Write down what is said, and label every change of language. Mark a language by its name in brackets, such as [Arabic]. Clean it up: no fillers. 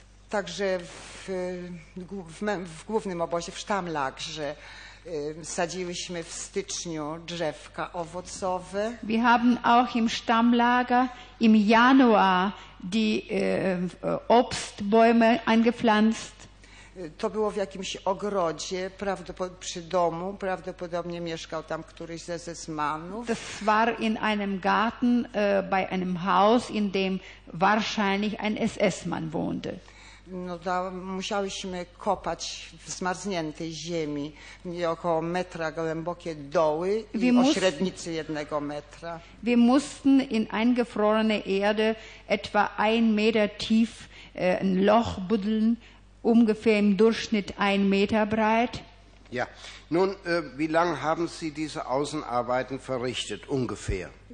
[Polish] Także w głównym obozie, w Stammlagerze, sadziłyśmy w styczniu drzewka owocowe. [German] Wir haben auch im Stammlager im Januar die Obstbäume eingepflanzt. [Polish] To było w jakimś ogrodzie, przy domu, prawdopodobnie mieszkał tam któryś ze zesmanów. [German] Das war in einem Garten bei einem Haus, in dem wahrscheinlich ein SS-Mann wohnte. [Polish] No, da musiałyśmy kopać w zmarzniętej ziemi około metra głębokie doły i o średnicy jednego metra. [German] Wir mussten in eingefrorene Erde etwa ein Meter tief ein Loch buddeln, ungefähr im Durchschnitt ein Meter breit. Ja, nun, wie lange haben Sie diese Außenarbeiten verrichtet, ungefähr?